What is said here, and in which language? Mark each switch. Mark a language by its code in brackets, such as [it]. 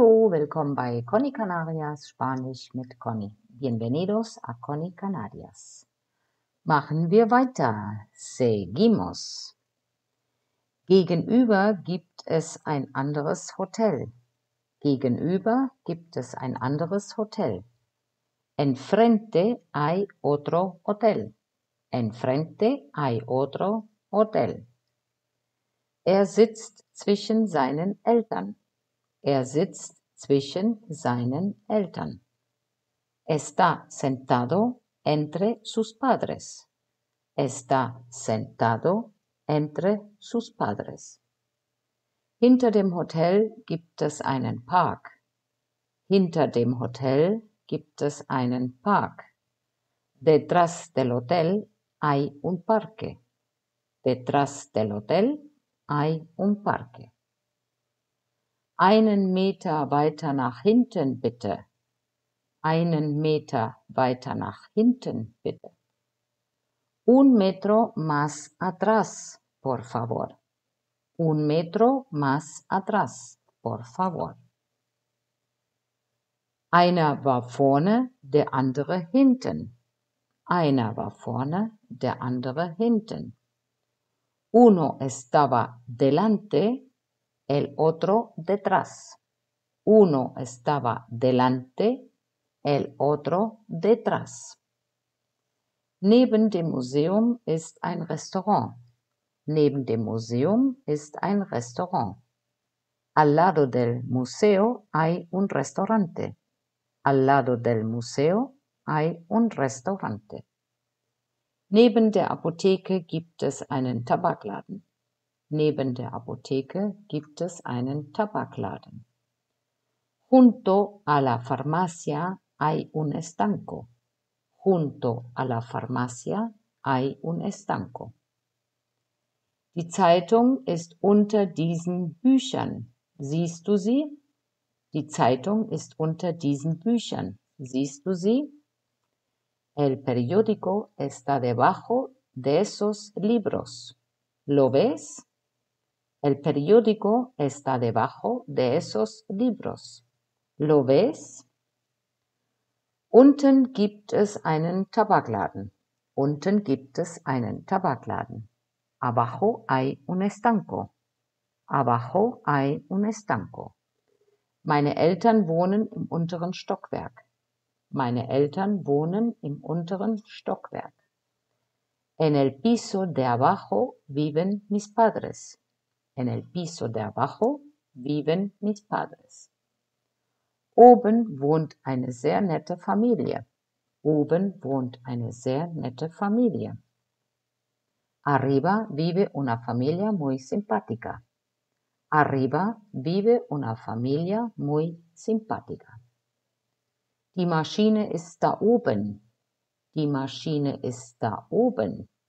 [de] Willkommen bei Conny Canarias, Spanisch mit Conny. [es] Bienvenidos a Conny Canarias. [de] Machen wir weiter. [es] Seguimos. [de] Gegenüber gibt es ein anderes Hotel. Gegenüber gibt es ein anderes Hotel. [es] Enfrente hay otro hotel. Enfrente hay otro hotel. [de] Er sitzt zwischen seinen Eltern. Er sitzt zwischen seinen Eltern. [es] Está sentado entre sus padres. Está sentado entre sus padres. [de] Hinter dem Hotel gibt es einen Park. Hinter dem Hotel gibt es einen Park. [es] Detrás del hotel hay un parque. Detrás del hotel hay un parque. [de] Einen Meter weiter nach hinten, bitte. Einen Meter weiter nach hinten, bitte. [es] Un metro más atrás, por favor. Un metro más atrás, por favor. [de] Einer war vorne, der andere hinten. Einer war vorne, der andere hinten. [es] Uno estaba delante. El otro detrás. Uno estaba delante, el otro detrás. [de] Neben dem Museum ist ein Restaurant. Neben dem Museum ist ein Restaurant. [es] Al lado del museo hay un restaurante. Al lado del museo hay un restaurante. [de] Neben der Apotheke gibt es einen Tabakladen. Neben der Apotheke gibt es einen Tabakladen. [es] Junto a la farmacia hay un estanco. Junto a la farmacia hay un estanco. [de] Die Zeitung ist unter diesen Büchern. Siehst du sie? Die Zeitung ist unter diesen Büchern. Siehst du sie? [es] El periódico está debajo de esos libros. ¿Lo ves? El periódico está debajo de esos libros. ¿Lo ves? [de] Unten gibt es einen Tabakladen. Unten gibt es einen Tabakladen. [es] Abajo hay un estanco. Abajo hay un estanco. [de] Meine Eltern wohnen im unteren Stockwerk. Meine Eltern wohnen im unteren Stockwerk. [es] En el piso de abajo viven mis padres. En el piso de abajo viven mis padres. [de] Oben wohnt eine sehr nette Familie. Oben wohnt eine sehr nette Familie. [es] Arriba vive una familia muy simpática. Arriba vive una familia muy simpática. [de] Die Maschine ist da oben. Die Maschine ist da oben.